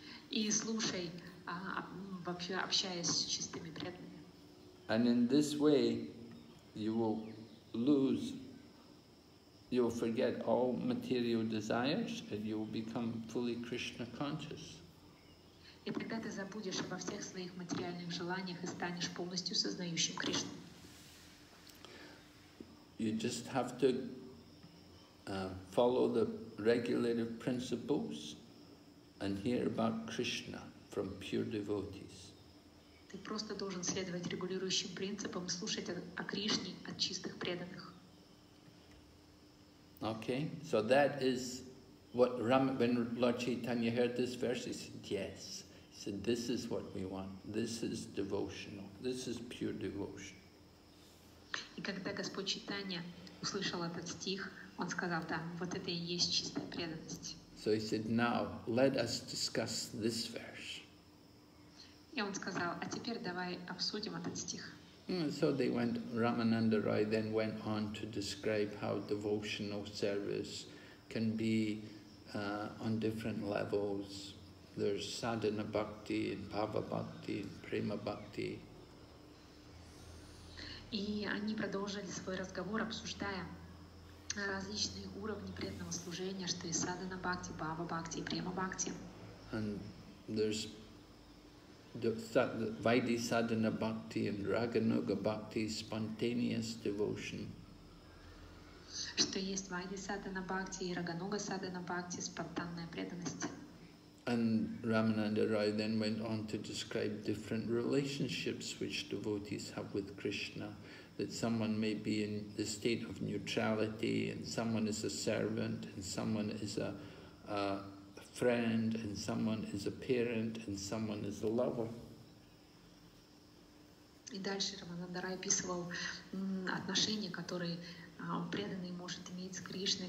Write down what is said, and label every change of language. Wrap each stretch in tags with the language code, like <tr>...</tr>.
<ru>И слушай, вообще общаясь с чистыми преданными.</ru> <en>And in this way, you will lose, you will forget all material desires and you will become fully Krishna conscious.</en> <ru>И тогда ты забудешь обо всех своих материальных желаниях и станешь полностью сознающим Кришну.</ru> <en>You just have to follow the regulative principles and hear about Krishna from pure devotees.</en> <ru>Ты просто должен следовать регулирующим принципам, слушать о Кришне от чистых преданных.</ru> <en>Okay, so that is what when Lord Chaitanya heard this verse, he said, yes. He said, this is what we want. This is devotional. This is pure devotion.</en> <ru>И когда Господь Чайтанья услышал этот стих, он сказал, да, вот это и есть чистая преданность.</ru> <en>So he said, now let us discuss this verse.</en> <ru>И он сказал, а теперь давай обсудим этот стих.</ru> <en>So they went, Ramananda Rai then went on to describe how devotional service can be on different levels. There's sadhana bhakti, and bhava bhakti, and prema bhakti.</en> <ru>И они продолжили свой разговор, обсуждая различные уровни преданного служения, что и sadhana bhakti, bhava bhakti, и prema bhakti.</ru> <en>And there's Vaidhi Sadhana Bhakti and Raganuga Bhakti, spontaneous devotion.</en> <ru>Что есть Vaidhi Sadhana Bhakti и Raganuga Sadhana Bhakti, спонтанная преданность.</ru> <en>And Ramananda Rai then went on to describe different relationships which devotees have with Krishna. That someone may be in the state of neutrality, and someone is a servant, and someone is a friend, and someone is a parent, and someone is a lover.</en> <ru>И дальше Рамананда описывал отношения, которые преданный может иметь с Кришной.</ru>